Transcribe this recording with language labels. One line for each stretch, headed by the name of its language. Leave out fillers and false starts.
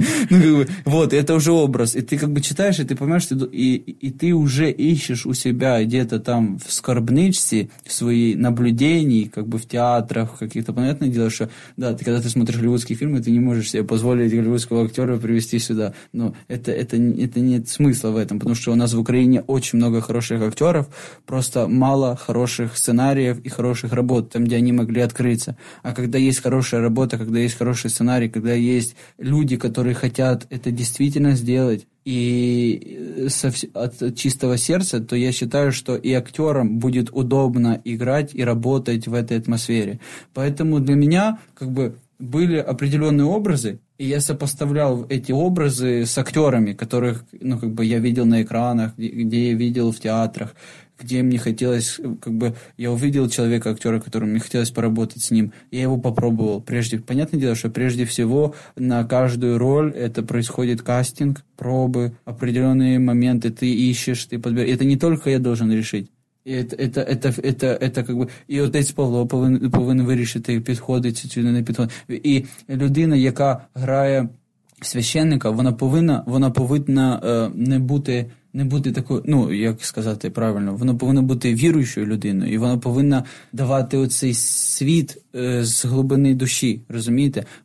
Ukrainian: Ну, как бы, вот, це вже образ. І ти как бы читаєш, і ти розумієш, і ти вже ищеш у себе где-то там в скорбничці, в своїй наблюденні, как бы в театрах, каких-то, понятне діло, що, да, ти, коли ти смотришь голлівудські фільми, ти не можеш себе дозволити голлівудського актера привезти сюди. Ну, це нет смисла в этом, тому що у нас в Україні дуже багато хороших актерів, просто мало хороших сценаріїв і хороших робот, там, де вони могли відкритися.
Russian: А коли є хороша робота, когда есть хороший сценарий, когда есть люди, которые хотят это действительно сделать, и от чистого сердца, то я считаю, что и актерам будет удобно играть и работать в этой атмосфере. Поэтому для меня как бы были определенные образы, и я сопоставлял эти образы с актерами, которых, ну, как бы я видел на экранах, где я видел в театрах, где мне хотелось, как бы, я увидел человека, актера, которому мне хотелось поработать с ним, я его попробовал. Прежде, понятное дело, что прежде всего на каждую роль это происходит кастинг, пробы, определенные моменты ты ищешь, ты подбираешь. Это не только я должен решить.
Ukrainian: І це якби, і отець Павло повинен вирішити, підходить чи не підходить. І людина, яка грає священника, вона повинна не бути такою, ну, як сказати правильно, вона повинна бути віруючою людиною, і вона повинна давати оцей світ з глибини душі, розумієте?